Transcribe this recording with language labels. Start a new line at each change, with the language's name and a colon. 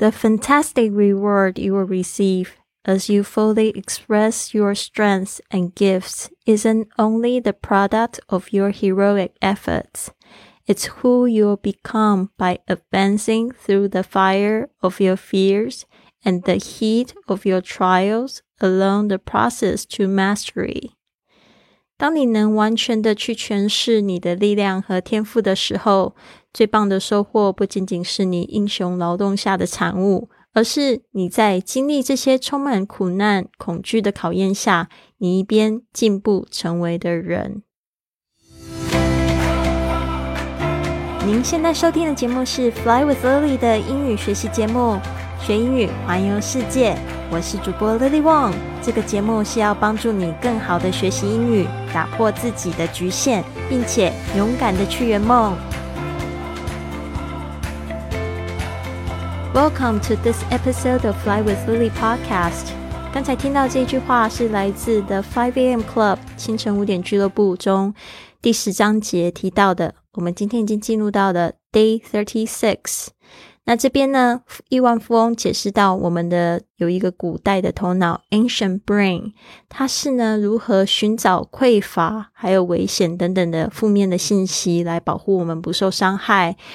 English: the fantastic reward you will receive as you fully express your strengths and gifts isn't only the product of your heroic efforts. It's who you'll become by advancing through the fire of your fears and the heat of your trials along the process to mastery.
Chinese: 当你能完全的去诠释你的力量和天赋的时候，最棒的收获不仅仅是你英雄劳动下的产物，而是你在经历这些充满苦难、恐惧的考验下，你一边进步成为的人。您现在收听的节目是 Fly with Lily 的英语学习节目，学英语环游世界。我是主播 Lily Wong， 这个节目是要帮助你更好的学习英语，打破自己的局限，并且勇敢的去圆梦。
English: Welcome to this episode of Fly with Lily podcast。
Chinese: 刚才听到这句话是来自 The 5AM Club 清晨五点俱乐部中第十章节提到的。我们今天已经进入到了 Day 36。那这边呢，亿万富翁解释到我们的有一个古代的头脑 Ancient Brain， 它是呢如何寻找匮乏还有危险等等的负面的信息来保护我们不受伤害。